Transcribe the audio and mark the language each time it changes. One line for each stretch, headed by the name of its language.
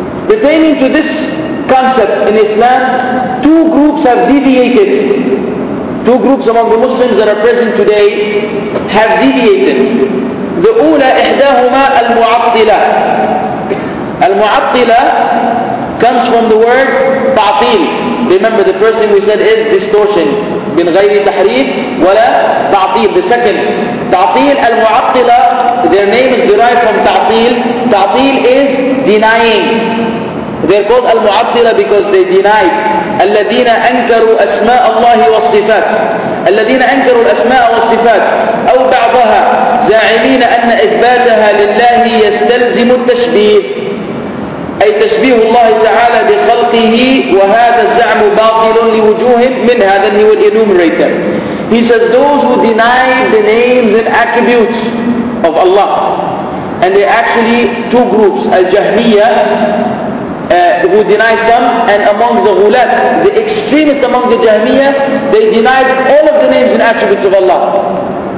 English: Pertaining to this concept in Islam, two groups have deviated. Two groups among the Muslims that are present today have deviated.
Arabic: The أُولَى إِحْدَاهُمَا الْمُعَطِّلَةِ.
English: الْمُعَطِّلَةِ comes from the word تعطيل. Remember, the first thing we said is distortion.
Arabic: بِنْ غَيْرِ تَحْرِيفِ وَلَا تَعْطِيل.
English: The second, تَعْطِيل الْمُعَطِّلَةِ, their name is derived from تَعْطِيل. تَعْطِيل is denying. They're called Al-Mu'attila because they denied.
Arabic: الَّذِينَ أَنْكَرُوا أَسْمَاءَ اللَّهِ وَالصِّفَاتِ. الَّذِينَ أَنْكَرُوا الْأَسْمَاءَ وَالصِّفَاتِ أَوْ بَعْضَهَا زَاعِمِينَ أَنَّ إِثْبَاتَهَا لِلَّهِ يَسْتَلْزِمُ التَّشْبِيهِ. أي تشبيه الله تعالى بخلقه وهذا الزعم باطل لوجوه منها.
English: Then he will enumerate them. He says those who deny the names and attributes of Allah, and they actually two groups, Al-Jahmiyya, who deny some, and among the ghulat, the extremist among the Jahmiyyah, they denied all of the names and attributes of Allah.